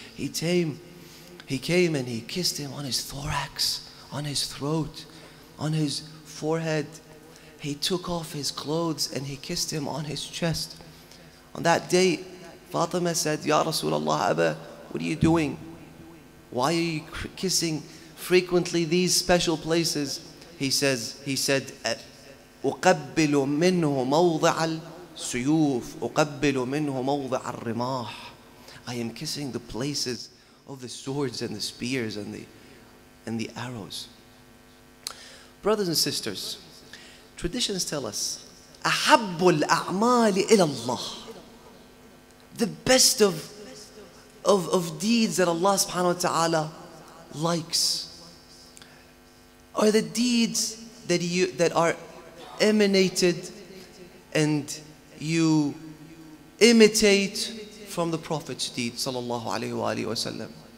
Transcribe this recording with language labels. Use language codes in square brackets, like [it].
[en] He came and he kissed him on his thorax, on his throat, on his forehead. He took off his clothes and he kissed him on his chest. On that day, Fatima said, Ya Rasulullah Abba, what are you doing? Why are you kissing frequently these special places? He said, [ar] أقبل منه موضع السيوف أقبل منه موضع الرماح. [en] I am kissing the places of the swords and the spears and the arrows. Brothers and sisters, traditions tell us [ar] أحب الأعمال إلى الله. [en] The best of deeds that Allah subhanahu wa ta'ala likes are the deeds that are emanated and you imitate from the Prophet's deeds, sallallahu alayhi wa alayhi wa sallam.